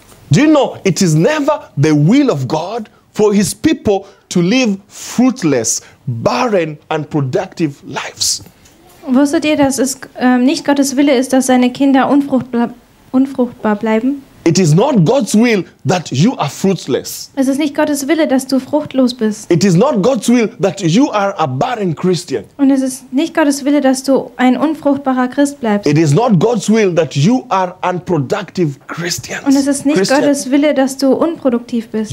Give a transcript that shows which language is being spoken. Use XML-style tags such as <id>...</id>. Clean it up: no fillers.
<en>Do you know it is never the will of God for his people to live fruitless, barren, unproductive lives?</en> <de>Wusstet ihr, dass es nicht Gottes Wille ist, dass seine Kinder unfruchtbar bleiben?</de> <en>It is not God's will that you are fruitless.</en> <de>Es ist nicht Gottes Wille, dass du fruchtlos bist.</de> <en>It is not God's will that you are a barren Christian.</en> <de>Und es ist nicht Gottes Wille, dass du ein unfruchtbarer Christ bleibst.</de> <en>It is not God's will that you are unproductive Christians.</en> <de>Und es ist nicht Gottes Wille, dass du unproduktiv bist.</de>